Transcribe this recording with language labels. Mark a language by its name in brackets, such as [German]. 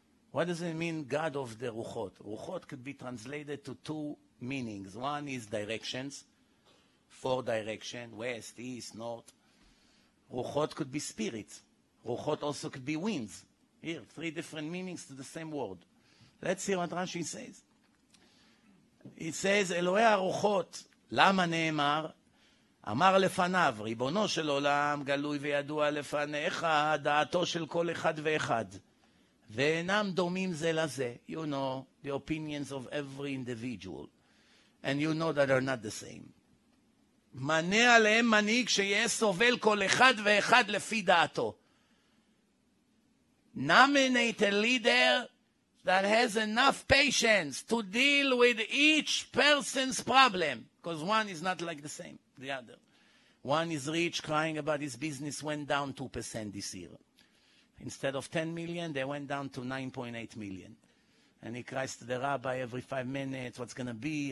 [English] What does it mean, God of the Ruchot? Ruchot could be translated to two meanings. One is directions, four directions, west, east, north. Ruchot could be spirits. Ruchot also could be winds. Here, three different meanings to the same word. Let's see what Rashi says. He says, [Hebrew] Elohe Aruchot, Lama Ne'emar, אמר לפניו, ריבונו של עולם, גלוי וידוע לפניך, דעתו של כל אחד ואחד. ואינם דומים זה לזה. [English] You know the opinions of every individual. And you know that are not the same. [Hebrew] מנה עליהם מנהיג שיהיה סובל כל אחד ואחד לפי דעתו. [English] Nominate a leader that has enough patience to deal with each person's problem. Because one is not like the same. The other. One is rich, crying about his business, went down 2% this year. Instead of 10 million, they went down to 9.8 million. And he cries to the rabbi every 5 minutes, what's going to be?